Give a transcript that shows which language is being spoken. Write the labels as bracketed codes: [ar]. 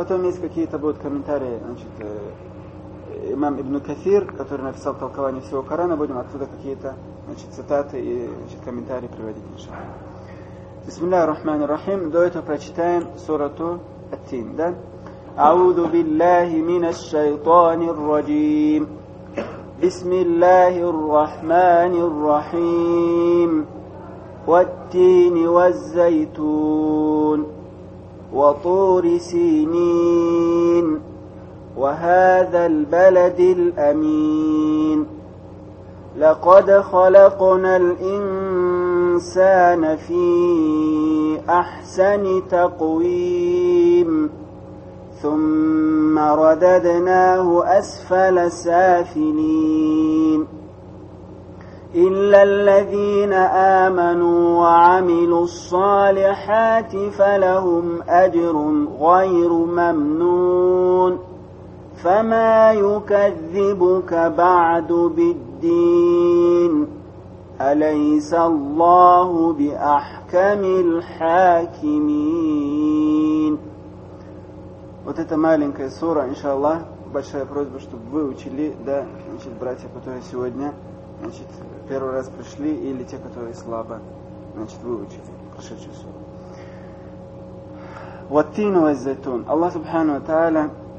[ru] Потом есть какие-то будут комментарии, значит, имам Ибн Кафир, который написал толкование всего Корана, будем оттуда какие-то, значит, цитаты и, значит, комментарии приводить, иншаллах. [ar] Бисмиллях рахмани рахим, [ru] до этого прочитаем сурату Ат-Тин, да. [ar] Ауду биллахи минаш шайтанир раджим. بسم الله الرحمن الرحيم والتين والزيتون وطور سينين وهذا البلد الأمين لقد خلقنا الإنسان في أحسن تقويم ثم رددناه أسفل سافلين إلا الذين آمنوا وعملوا الصالحات فلهم أجر غير ممنون فما يكذبك بعد بالدين أليس الله بأحكم الحاكمين. [ru] Вот это маленькая сура, иншаллах, большая просьба, чтобы вы учили, да, значит, братья, которые сегодня, значит, первый раз пришли, или те, которые слабо, значит, выучили прошедшую суру. [ar] Ваттин ваззайтун. Аллах субхану ва тааля